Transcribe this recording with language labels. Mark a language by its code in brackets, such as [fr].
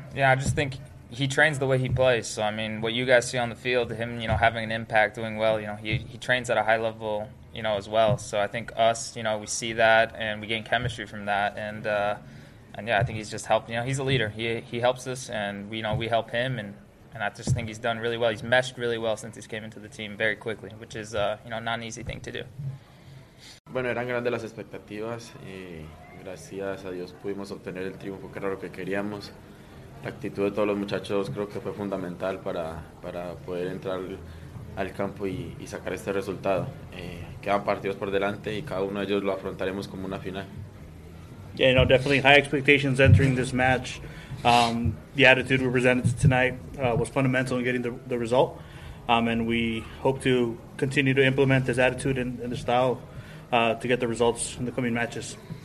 [en] Yeah, I just think he trains the way he plays. So, I mean, what you guys see on the field, him, you know, having an impact, doing well, you know, he trains at a high level, you know, as well. So I think us, you know, we see that and we gain chemistry from that. And yeah, I think he's just helped, you know, he's a leader. He helps us and we, you know, we help him. And I just think he's done really well. He's meshed really well since he's came into the team very quickly, which is, you know, not an easy thing to do. [es] Bueno, eran grandes las expectativas y gracias a Dios pudimos obtener el triunfo, que era lo que queríamos. La actitud de todos los muchachos creo que fue fundamental para poder entrar al campo y sacar este resultado. Quedan partidos por delante y cada uno de ellos lo afrontaremos como una final. [en] Yeah, you know, definitely high expectations entering this match. The attitude we presented tonight was fundamental in getting the result. And we hope to continue to implement this attitude and the style to get the results in the coming matches.